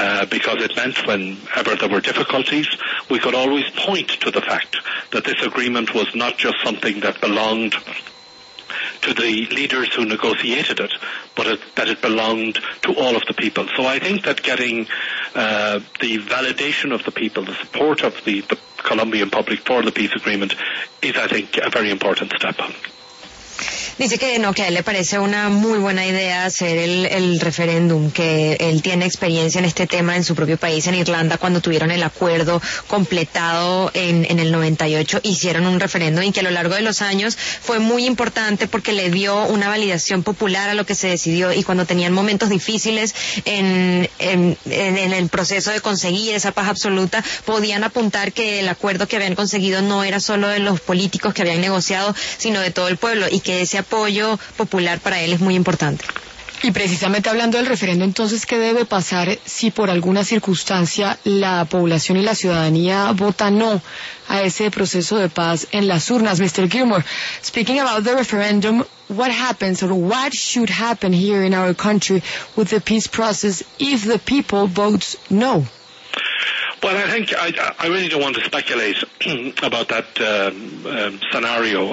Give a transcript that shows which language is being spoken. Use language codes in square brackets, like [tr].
[en] Because it meant whenever there were difficulties, we could always point to the fact that this agreement was not just something that belonged to the leaders who negotiated it, but that it belonged to all of the people. So I think that getting the validation of the people, the support of the Colombian public for the peace agreement, is, I think, a very important step. [es] Dice que no, que a él le parece una muy buena idea hacer el referéndum, que él tiene experiencia en este tema en su propio país, en Irlanda, cuando tuvieron el acuerdo completado en el 98, hicieron un referéndum, y que a lo largo de los años fue muy importante porque le dio una validación popular a lo que se decidió, y cuando tenían momentos difíciles en el proceso de conseguir esa paz absoluta, podían apuntar que el acuerdo que habían conseguido no era solo de los políticos que habían negociado, sino de todo el pueblo, y que ese apoyo popular para él es muy importante. Y precisamente hablando del referendo, entonces, ¿qué debe pasar si por alguna circunstancia la población y la ciudadanía vota no a ese proceso de paz en las urnas? [en] Mr. Gilmour, speaking about the referendum, what happens, or what should happen here in our country with the peace process if the people votes no? Well, I think I really don't want to speculate about that scenario.